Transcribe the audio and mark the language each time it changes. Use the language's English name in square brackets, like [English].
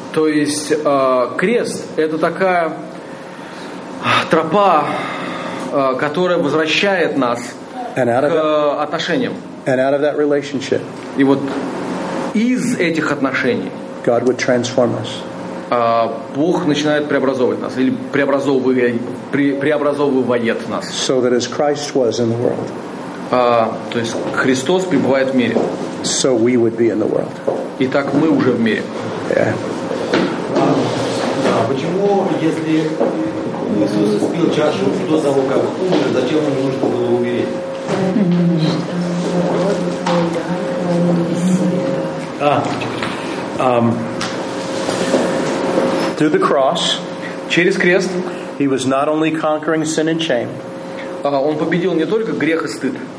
[Russian] То есть крест это такая тропа, которая возвращает нас [English] And out of [Russian] к отношениям. [English] And out of that relationship. [Russian] И вот из этих отношений [English] God would transform us. [Russian] Бог начинает преобразовывать нас или преобразовывает нас. [English] So that as Christ was in the world. [Russian] То есть Христос пребывает в мире. [English] So we would be in the world. [Russian] И так мы уже в мире. [English] Yeah. [Russian] Почему, если Иисус испил чашу до того, как умер, зачем ему нужно было умереть? [English] Through the cross, [Russian] через крест, [English] he was not only conquering sin and shame. [Russian] Он победил не только грех и стыд,